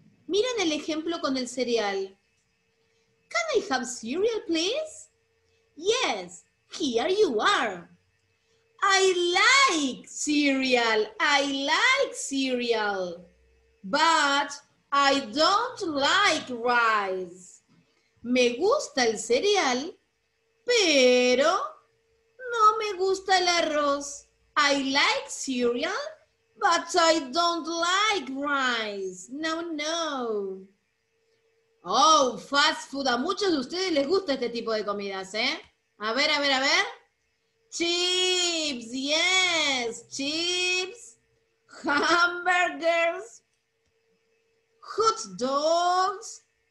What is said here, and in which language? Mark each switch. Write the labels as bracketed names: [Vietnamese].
[Spanish] Miren el ejemplo con el cereal. [English] Can I have cereal, please? Yes, here you are. I like cereal. I like cereal. But I don't like rice. [Spanish] Me gusta el cereal, pero no me gusta el arroz. [English] I like cereal, but I don't like rice. No, no. Oh, fast food. [Spanish] A muchos de ustedes les gusta este tipo de comidas, ¿eh? A ver, a ver, a ver. [English] Chips, yes. Chips. Hamburgers. Hot dogs.